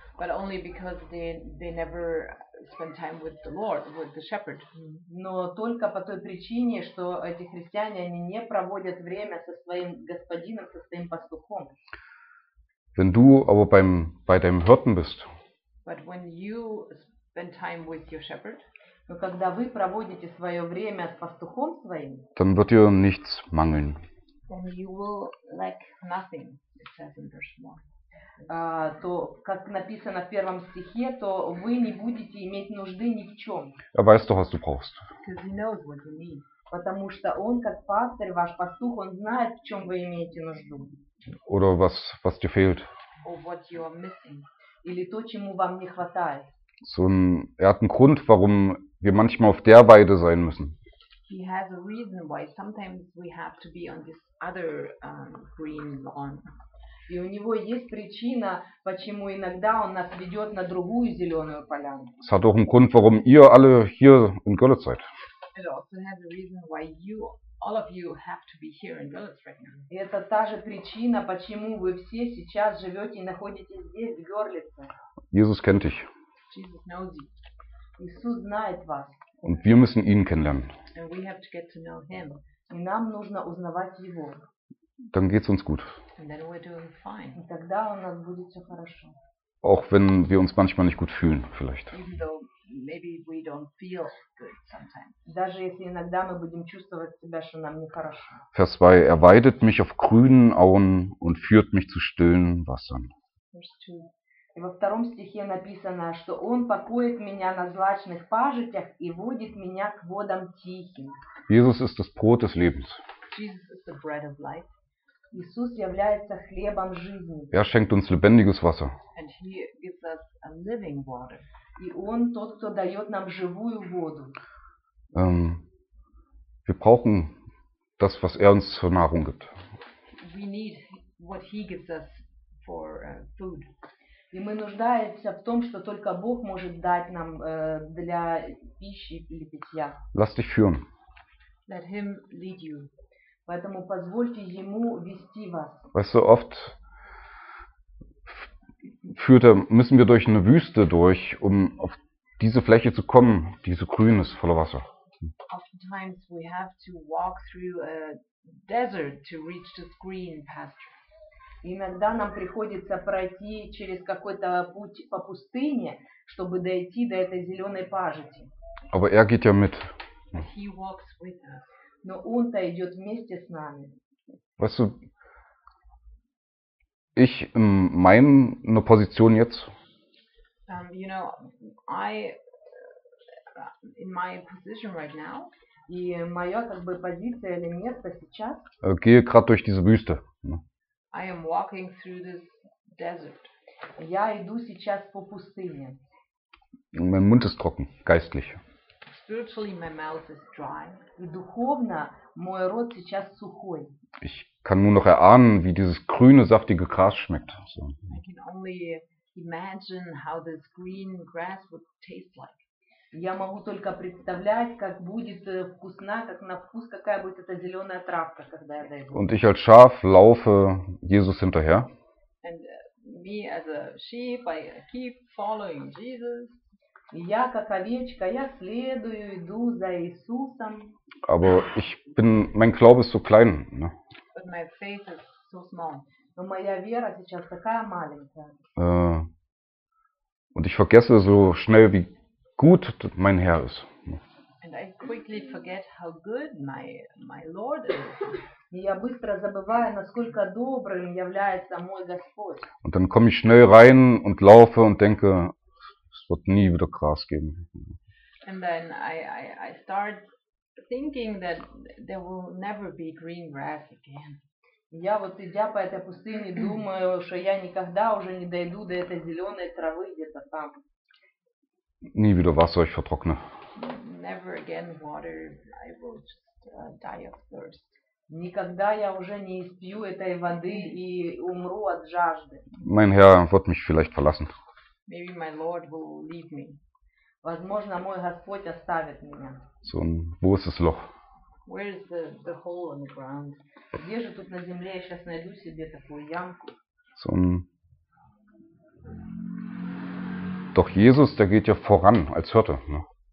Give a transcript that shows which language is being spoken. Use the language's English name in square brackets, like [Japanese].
[English] But only because they never spend time with the Lord, with the shepherd. [Russian] Но только по той причине, что эти христиане, они не проводят время со своим господином, со своим пастухом. [German] Wenn du aber bei deinem Hirten bist. [English] But when you spend time with your shepherd. [Russian] Но когда вы проводите свое время с пастухом своим. [German] Dann wird dir nichts mangeln. [English] Then you will lack nothing, it says in verse 1. [Russian] То, как написано в первом стихе, то вы не будете иметь нужды ни в чем. [German] Er weiß doch, was du brauchst. [English] Because he knows what you need. [Russian] Потому что он, как пастырь, ваш пастух, он знает, в чем вы имеете нужду. [German] Oder was dir fehlt. [English] Or what you are missing. [Russian] Или то, чему вам не хватает. [German] So er hat einen Grund, warum wir manchmal auf der Weide sein müssen. [English] He has a reason why sometimes we have to be on this other green lawn. [Russian] И у него есть причина, почему иногда он нас ведет на другую зеленую поляну. [German] Es hat auch einen Grund, warum ihr alle hier in Görlitz seid. [English] It also has a reason why you, all of you, have to be here in Görlitz right now. [Russian] И это та же причина, почему вы все сейчас живете и находитесь здесь в Görlitz. [German] Jesus kennt dich. [English] Jesus knows you. [Russian] Иисус знает вас. [German] Und wir müssen ihn kennenlernen. [English] And we have to get to know him. [Russian] И нам нужно узнавать его. [German] Dann geht's uns gut. [English] And then we're doing fine. [German] Und [Russian] тогда у нас будет все хорошо. [German] Auch wenn wir uns manchmal nicht gut fühlen, vielleicht. [English] Even though maybe we don't feel good sometimes. [Russian] Даже если иногда мы будем чувствовать себя, что нам не хорошо. [German] Vers 2: Er weidet mich auf grünen Auen und führt mich zu stillen Wassern. [Russian] И во втором стихе написано, что Он покоит меня на злачных пажитях и водит меня к водам тихим. [German] Jesus ist das Brot des Lebens. [English] Jesus is the bread of life. [Russian] Иисус является хлебом жизни. [German] Er schenkt uns lebendiges Wasser. [English] And he gives us a living water. [Russian] И Он тот, кто дает нам живую воду. [German] Wir brauchen das, was uns zur Nahrung gibt. [English] We need what he gives us for food. [Russian] И мы нуждаемся в том, что только Бог может дать нам для пищи или питья. [German] Lass dich führen. [English] Let him lead you. [Russian] Поэтому позвольте ему вести вас. [German] Weißt du, oft müssen wir durch eine Wüste durch, um auf diese Fläche zu kommen, die so grün ist, voller Wasser. [English] Oftentimes we have to walk through a desert to reach this green pasture. [Russian] Иногда нам приходится пройти через какой-то путь по пустыне, чтобы дойти до этой зеленой пажити. [German] Aber er geht ja mit. [English] He walks with us. [Russian] Но он-то идет вместе с нами. [German] Weißt du, ich in meiner Position jetzt. [English] You know, I in my position right now. [Russian] И моя как бы позиция или место сейчас. [German] Gehe gerade durch diese Wüste. [English] I am walking through this desert. [Russian] Я иду сейчас по пустыне. [German] Mein Mund ist trocken, geistlich. [English] Spiritually my mouth is dry. [Russian] И духовно мой рот сейчас сухой. [German] Ich kann nur noch erahnen, wie dieses grüne, saftige Gras schmeckt. So. [English] I can only imagine how this green grass would taste like. [Russian] Я могу только представлять, как будет вкусна, как на вкус какая будет эта зеленая травка, когда я дойду. [German] Und ich als Schaf laufe Jesus hinterher. [English] And me as a sheep, I keep following Jesus. [Russian] Я как овечка, я следую, иду за Иисусом. [German] Aber ich bin, mein Glaube ist so klein, ne? [English] But my faith is so small. [Russian] Но моя вера сейчас такая маленькая. [German] Und ich vergesse so schnell wie gut, mein Herr ist. [English] And I quickly forget how good my Lord is. [Russian] И я быстро забываю, насколько добрым является мой Господь. [German] Und dann komme ich schnell rein und laufe und denke, es wird nie wieder Gras geben. [English] And then I start thinking that there will never be green grass again. [Russian] Я вот идя по этой пустыне, думаю, что я никогда уже не дойду до этой зеленой травы где-то там. [German] Nie wieder Wasser, ich vertrockne. [English] Never again water, I will just die of thirst. [Russian] Никогда я уже не испью этой воды и умру от жажды. [German] Mein Herr wird mich vielleicht verlassen. [English] Maybe my Lord will leave me. [Russian] Возможно, мой Господь оставит меня. [German] So, wo ist das Loch? [English] Where is the hole in the ground? [Russian] Где же тут на земле я сейчас найду себе такую ямку? [German] So, doch Jesus, der geht ja voran als Hirte, ne?